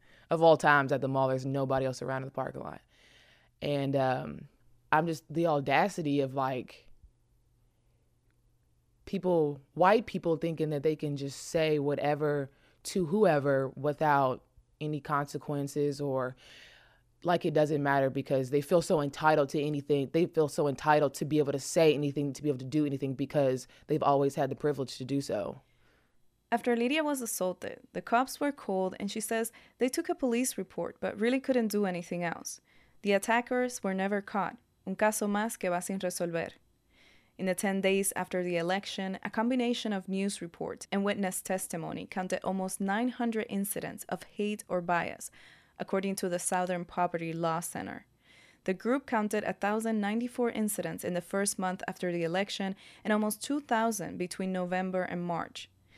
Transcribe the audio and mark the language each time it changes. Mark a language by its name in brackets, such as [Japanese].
[English] Of all times at the mall, there's nobody else around in the parking lot. And I'm just, the audacity of, like, people, white people thinking that they can just say whatever to whoever without any consequences, or like it doesn't matter because they feel so entitled to anything. They feel so entitled to be able to say anything, to be able to do anything because they've always had the privilege to do so. After Lydia was assaulted, the cops were called, and she says they took a police report but really couldn't do anything else. The attackers were never caught. [Spanish] Un caso más que va sin resolver. [English] In the 10 days after the election, a combination of news reports and witness testimony counted almost 900 incidents of hate or bias, according to the Southern Poverty Law Center. The group counted 1,094 incidents in the first month after the election and almost 2,000 between November and March.